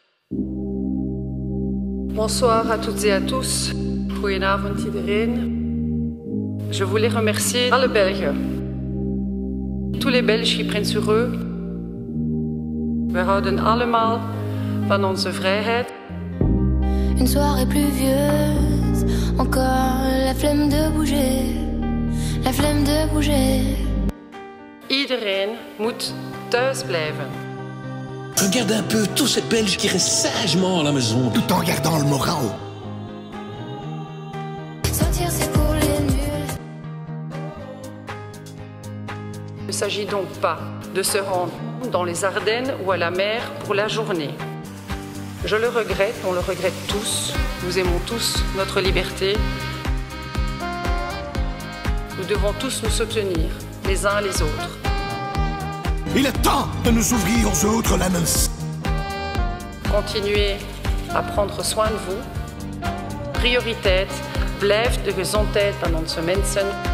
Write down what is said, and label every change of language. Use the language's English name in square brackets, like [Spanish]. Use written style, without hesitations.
[French] Bonsoir à toutes et à tous. [Dutch] Goedenavond iedereen. [French] Je voulais remercier tous les Belges. Tous les Belges qui prennent sur eux. [Dutch] We houden allemaal van onze vrijheid. [French] Une soirée pluvieuse, encore la flemme de bouger. La flemme de bouger. [Dutch] Iedereen moet thuis blijven. [French] Regarde un peu tous ces Belges qui restent sagement à la maison, tout en gardant le moral. Sortir, c'est pour les nuls. Il ne s'agit donc pas de se rendre dans les Ardennes ou à la mer pour la journée. Je le regrette, on le regrette tous. Nous aimons tous notre liberté. Nous devons tous nous soutenir, les uns les autres. Il est temps de nous ouvrir aux autres la main. Continuez à prendre soin de vous. [Dutch] Prioriteit, blijf de gezondheid aan onze mensen.